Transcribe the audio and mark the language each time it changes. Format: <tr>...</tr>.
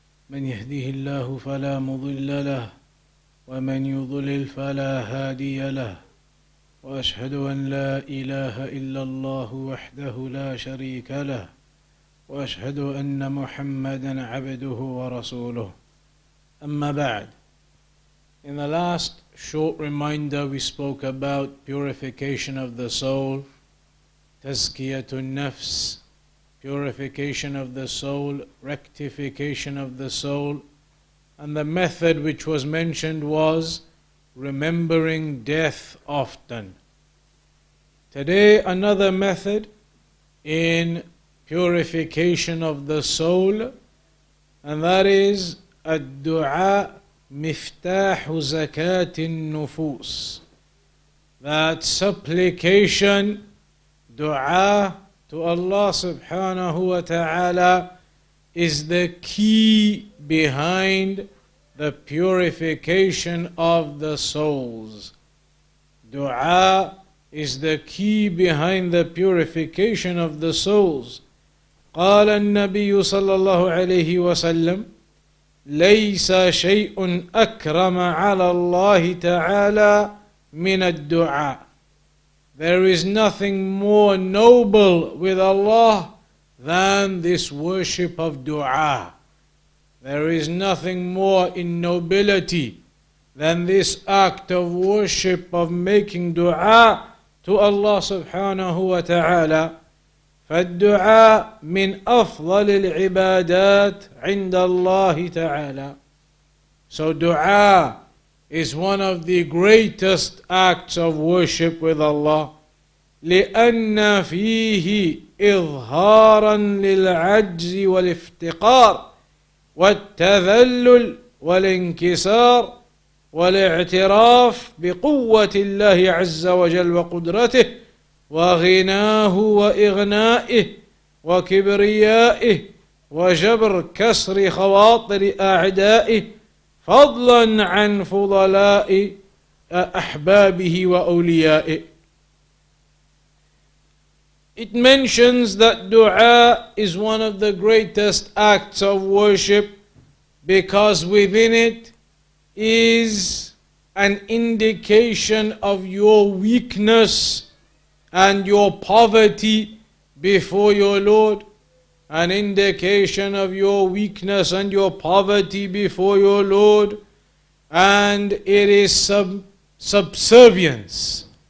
<ar>من يهده الله فلا مضل له، ومن يضلل فلا هادي له. وأشهد أن لا إله إلا الله وحده لا شريك له، وأشهد أن محمدًا عبده ورسوله. أما بعد،</ar> <en>in the last short reminder we spoke about purification of the soul, tazkiyatun nafs, purification of the soul, rectification of the soul, and the method which was mentioned was remembering death often. Today another method in purification of the soul, and that is</en> <ar>الدُّعَاء مِفْتَاحُ زَكَاةِ النُّفُوسِ.</ar> <en>That supplication, dua to Allah subhanahu wa ta'ala, is the key behind the purification of the souls. Dua is the key behind the purification of the souls.</en> <ar>قال النبي صلى الله عليه وسلم ليس شيء أكرم على الله تعالى من الدعاء.</ar> <en>There is nothing more noble with Allah than this worship of dua. There is nothing more in nobility than this act of worship of making dua to Allah subhanahu wa ta'ala.</en> <ar>فالدعاء من أفضل العبادات عند الله تعالى.</ar> <en>So dua is one of the greatest acts of worship with Allah.</en> <ar>لأن فيه إظهارا للعجز والافتقار والتذلل والانكسار والاعتراف بقوة الله عز وجل وقدرته وغناه وإغنائه وكبريائه وجبر كسر خواطر أعدائه فضلا عن فضلاء أحبابه وأوليائه.</ar> <en>It mentions that dua is one of the greatest acts of worship because within it is an indication of your weakness and your poverty before your Lord, an indication of your weakness and your poverty before your Lord, and it is subservience</en>